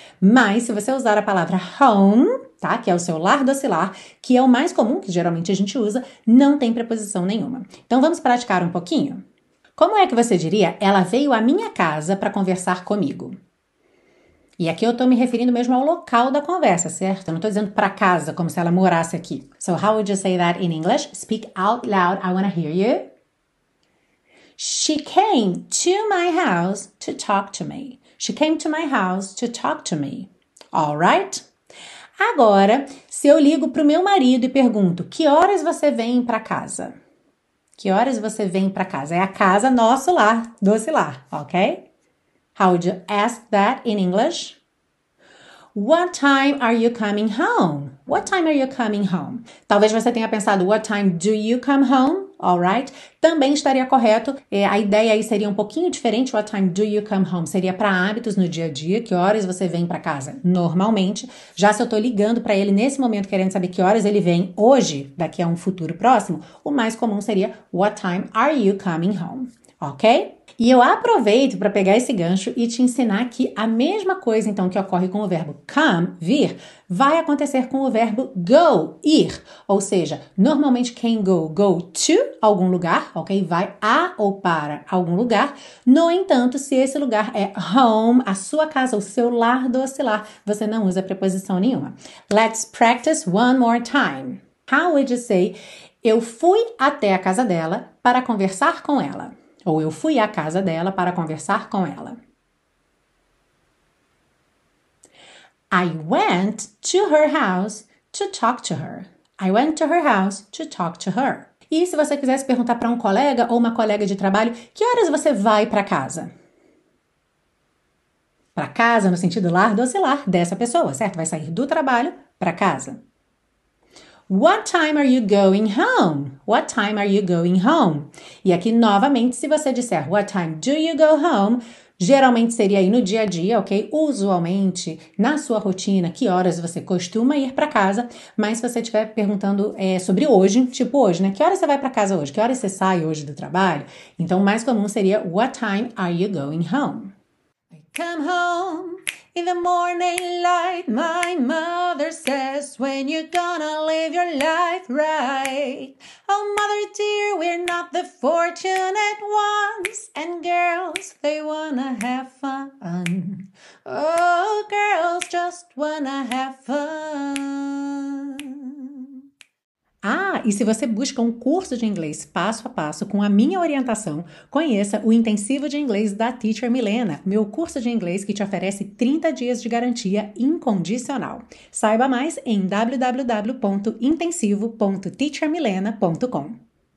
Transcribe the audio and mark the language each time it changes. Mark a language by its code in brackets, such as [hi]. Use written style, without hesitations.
[pt] Mas se você usar a palavra home, tá? Que é o seu lar docilar, que é o mais comum, que geralmente a gente usa, não tem preposição nenhuma. Então vamos praticar um pouquinho? Como é que você diria ela veio à minha casa para conversar comigo? E aqui eu estou me referindo mesmo ao local da conversa, certo? Eu não estou dizendo para casa, como se ela morasse aqui. [en] So, how would you say that in English? Speak out loud, I want to hear you. She came to my house to talk to me. She came to my house to talk to me. All right? [pt] Agora, se eu ligo para o meu marido e pergunto, que horas você vem para casa? Que horas você vem para casa? É a casa, nosso lar, doce lar, ok? [en] How would you ask that in English? What time are you coming home? What time are you coming home? [pt] Talvez você tenha pensado, [en] what time do you come home? [pt] All right. Também estaria correto. A ideia aí seria um pouquinho diferente. [en] What time do you come home? [pt] Seria para hábitos no dia a dia. Que horas você vem para casa? Normalmente. Já se eu estou ligando para ele nesse momento, querendo saber que horas ele vem hoje, daqui a um futuro próximo, o mais comum seria, [en] what time are you coming home? [pt] Ok? E eu aproveito para pegar esse gancho e te ensinar que a mesma coisa, então, que ocorre com o verbo come, vir, vai acontecer com o verbo go, ir. Ou seja, normalmente can go, [en] go to [pt] algum lugar, ok? Vai a ou para algum lugar. No entanto, se esse lugar é home, a sua casa, o seu lar doce lar, você não usa preposição nenhuma. [en] Let's practice one more time. How would you say, [pt] eu fui até a casa dela para conversar com ela? Ou eu fui à casa dela para conversar com ela. [en] I went to her house to talk to her. I went to her house to talk to her. [pt] E se você quisesse perguntar para um colega ou uma colega de trabalho, que horas você vai para casa? Para casa, no sentido lar, doce lar, dessa pessoa, certo? Vai sair do trabalho para casa. [en] What time are you going home? What time are you going home? [pt] E aqui, novamente, se você disser [en] what time do you go home, [pt] geralmente seria aí no dia a dia, ok? Usualmente, na sua rotina, que horas você costuma ir para casa, mas se você estiver perguntando sobre hoje, tipo hoje, né? Que horas você vai para casa hoje? Que horas você sai hoje do trabalho? Então, o mais comum seria [en] what time are you going home? I come home. In the morning light, my mother says, when you gonna live your life right? Oh, mother dear, we're not the fortunate ones, and girls, they wanna have fun. Oh, girls just wanna have fun. [pt] Ah, e se você busca um curso de inglês passo a passo com a minha orientação, conheça o Intensivo de Inglês da Teacher Milena, meu curso de inglês que te oferece 30 dias de garantia incondicional. Saiba mais em www.intensivo.teachermilena.com.